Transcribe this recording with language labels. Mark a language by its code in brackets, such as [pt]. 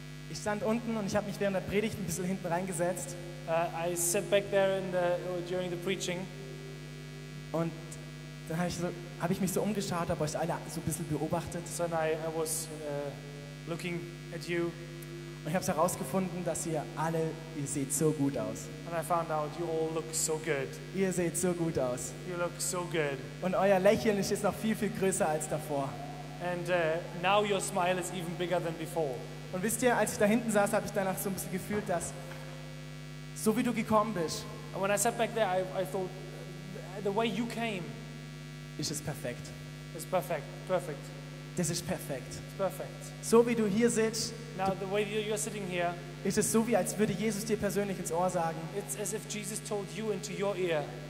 [de] Ich stand unten und ich habe mich während der Predigt ein bisschen hinten reingesetzt. [en] I sat back there in the, during the preaching. [de] Und dann habe ich, hab ich mich so umgeschaut, habe euch alle so ein bisschen beobachtet. [en] So then I was looking at you. [de] Und ich habe herausgefunden, dass ihr alle, ihr seht so gut aus. [en] And I found out you all look so good. [de] Ihr seht so gut aus. [en] You look so good. [de] Und euer Lächeln ist jetzt noch viel, viel größer als davor. [en] And now your smile is even bigger than before. [de] Und wisst ihr, als ich da hinten saß, habe ich danach so ein bisschen gefühlt, dass so wie du gekommen bist. [en] And when I sat back there, I thought the way you came [de] ist es perfekt. [en] It's perfect. Perfect. [de] Das ist perfekt. [en] It's perfect. [de] So wie du hier sitzt. [en] Now the way you're sitting here. [de] Ist es so wie als würde Jesus dir persönlich ins Ohr sagen. [en] It's as if Jesus told you into your ear.